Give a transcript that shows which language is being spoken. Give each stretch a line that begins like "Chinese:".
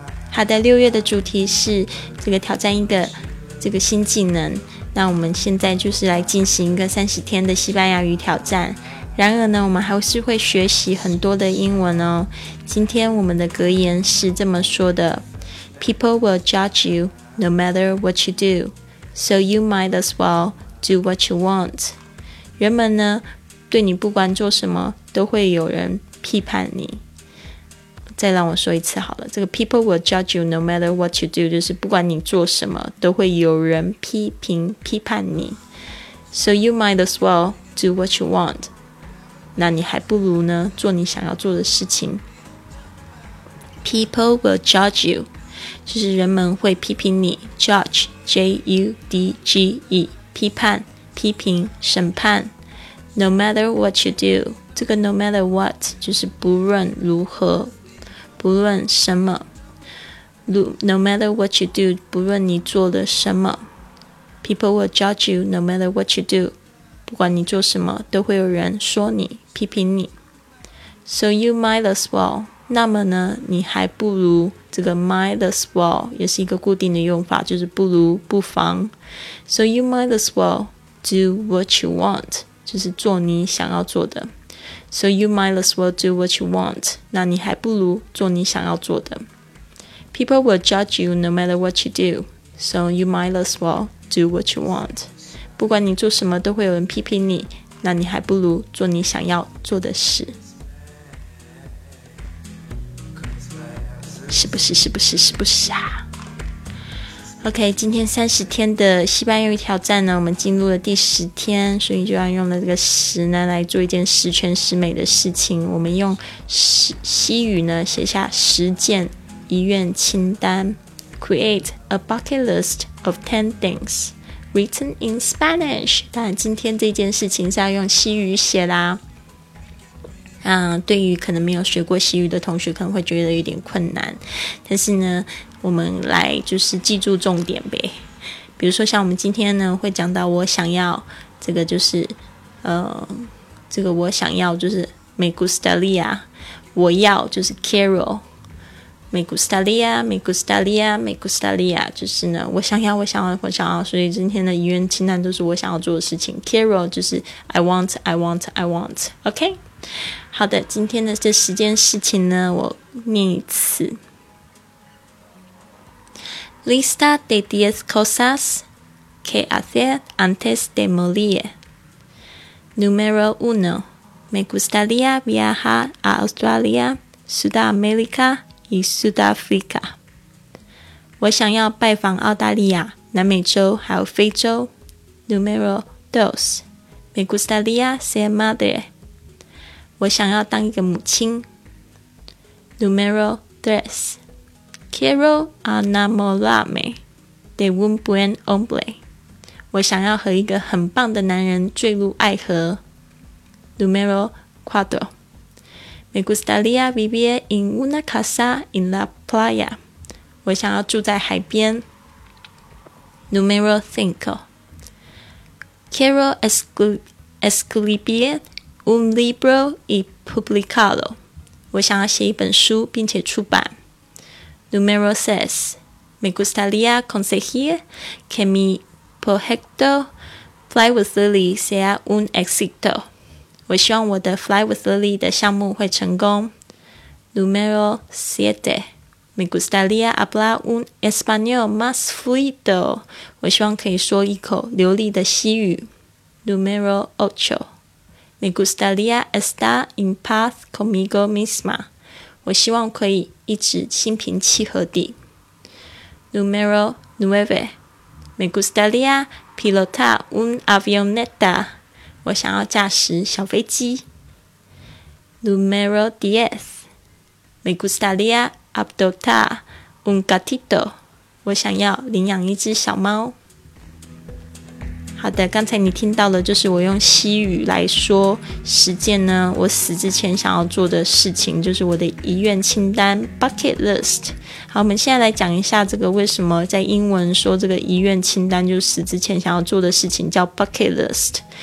Chinese: 好的，六月的主题是这个挑战一个这个新技能。那我们现在就是来进行一个30天的西班牙语挑战。然而呢，我们还是会学习很多的英文哦。今天我们的格言是这么说的
English: ：People will judge you no matter what you do, so you might as well do what you want.
Chinese: 人们呢，对你不管做什么，都会有人批判你。再让我说一次好了，这个
English: people will judge you no matter what you do，
Chinese: 就是不管你做什么都会有人批评批判你，
English: so you might as well do what you want，
Chinese: 那你还不如呢做你想要做的事情。
English: People will judge you
Chinese: 就是人们会批评你， judge J-U-D-G-E 批判批评审判。
English: no matter what you do，
Chinese: 这个
English: no matter what
Chinese: 就是不论如何，不论什么
English: No matter what you do，
Chinese: 不论你做了什么，
English: People will judge you no matter what you do，
Chinese: 不管你做什么都会有人说你批评你。
English: So you might as well，
Chinese: 那么呢你还不如，这个
English: might as well
Chinese: 也是一个固定的用法，就是不如不妨。
English: So you might as well do what you want，
Chinese: 就是做你想要做的。
English: So you might as well do what you want，
Chinese: 那你还不如做你想要做的。
English: People will judge you no matter what you do， So you might as well do what you want，
Chinese: 不管你做什么都会有人批评你，那你还不如做你想要做的事。是不是是不是是不是啊？OK， 今天30天的西班牙语挑战呢，我们进入了第10天，所以就要用了这个10呢来做一件十全十美的事情。我们用西语呢写下10件遗愿清单，
English: Create a bucket list of 10 things written in Spanish。
Chinese: 当然今天这件事情是要用西语写啦。对于可能没有学过西语的同学可能会觉得有点困难，但是呢我们来就是记住重点呗。比如说像我们今天呢会讲到我想要这个，就是这个我想要就是 me gustaría， 我要就是 quiero，
Spanish: me gustaría me gustaría me gustaría
Chinese: 就是呢我想要我想要我想要，所以今天的遗愿清单都是我想要做的事情。
English: quiero
Chinese: 就是
English: I want I want I want， OK。
Chinese: 好的，今天的这十件事情呢我念一次。
Spanish: Lista de 10 cosas que hacer antes de morir. Número 1. Me gustaría viajar a Australia, Sudamérica y Sudáfrica.
Chinese: 我想要拜访澳大利亚、南美洲还有非洲。
Spanish: Número 2. Me gustaría ser madre.
Chinese: 我想要当一个母亲。
Spanish: Número 3. Quiero enamorarme de un buen hombre.
Chinese: 我想要和一个很棒的男人坠入爱河。
Spanish: Número 4. Me gustaría vivir en una casa en la playa.
Chinese: 我想要住在海边。
Spanish: Número 5. Quiero escribir un libro y publicarlo.
Chinese: 我想要写一本书并且出版。
Spanish: Número 6. Me gustaría conseguir que mi proyecto Fly with Lily sea un éxito.
Chinese: 我希望我的 Fly with Lily 的项目会成功。
Spanish: Número 7. Me gustaría hablar un español más fluido.
Chinese: 我希望可以说一口流利的西语。
Spanish: Número 8. Me gustaría estar en paz conmigo misma.
Chinese: 我希望可以一直心平气和地。
Spanish: Número 9. Me gustaría pilotar un avioneta.
Chinese: 我想要驾驶小飞机。
Spanish: Número 10. Me gustaría adoptar un gatito，
Chinese: 我想要领养一只小猫。好的，刚才你听到的就是我用西语来说实践呢我死之前想要做的事情，就是我的遗愿清单 bucket list。好，我们现在来讲一下这个为什么在英文说这个遗愿清单就是死之前想要做的事情叫 bucket list。